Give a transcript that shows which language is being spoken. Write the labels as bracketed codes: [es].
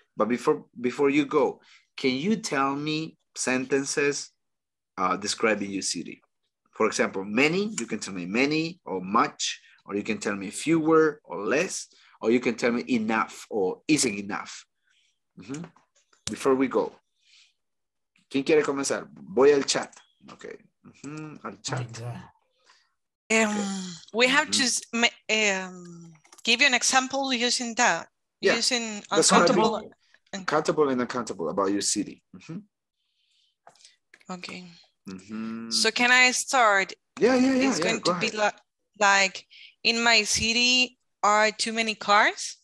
[en] But before you go, can you tell me sentences describing your city? For example, many, you can tell me many or much, or you can tell me fewer or less, or you can tell me enough or isn't enough. Mm-hmm. Before we go, [es] ¿quién quiere comenzar? Voy al chat. Okay, al chat. Oh, [en] We have to give you an example using that. Yeah. Using uncountable. Countable and uncountable about your city. Mm-hmm. Okay. Mm-hmm. So can I start? Yeah. It's going to be like in my city are too many cars.